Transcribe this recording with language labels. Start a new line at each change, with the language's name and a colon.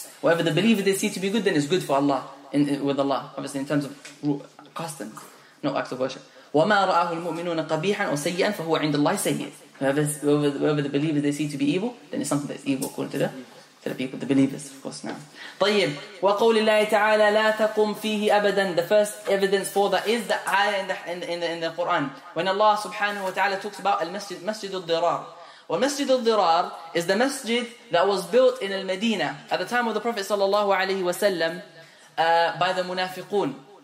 English: Whatever the believer they see to be good, then it's good for Allah, with Allah. Obviously, in terms of customs, no acts of worship.
Arabic: وَمَا رَأَهُ الْمُؤْمِنُونَ قَبِيحًا أَوْ سَيِّئًا فَهُوَ عِنْدَ اللَّهِ سَيِّئًا.
English: Whoever the believers they see to be evil, then it's something that's evil according to the people, the believers, of course.
Arabic: Now, طيب وقول الله تعالى لا تقوم فيه أبدا.
English: The first evidence for that is the ayah in the Quran when Allah subhanahu wa taala talks about al-masjid al-dirar. Well, Masjid al-dirar is the masjid that was built in al-Madina at the time of the Prophet sallallahu alaihi wasallam by the munafiqun.